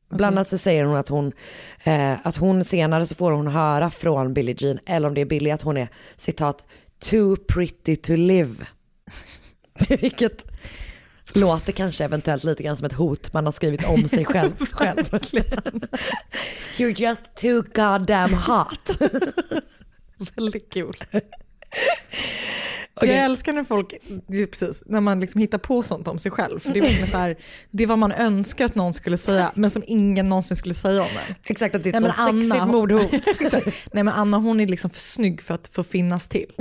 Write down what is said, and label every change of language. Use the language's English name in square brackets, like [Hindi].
[Swedish] Bland annat så säger hon att hon senare så får hon höra från Billie Jean, eller om det är Billie, att hon är, citat, [English] too pretty to live. [Swedish] Vilket låter kanske eventuellt lite grann som ett hot man har skrivit om sig själv. Själv. [English] You're just too goddamn hot. [Swedish] Väldigt kul. Okay. Jag älskar när folk, precis, när man liksom hittar på sånt om sig själv. För det är liksom så här, det är vad man önskar att någon skulle säga, men som ingen någonsin skulle säga om en. Exakt, att det är ett sexigt mordhot. Nej, men Anna, hon är liksom för snygg för att få finnas till.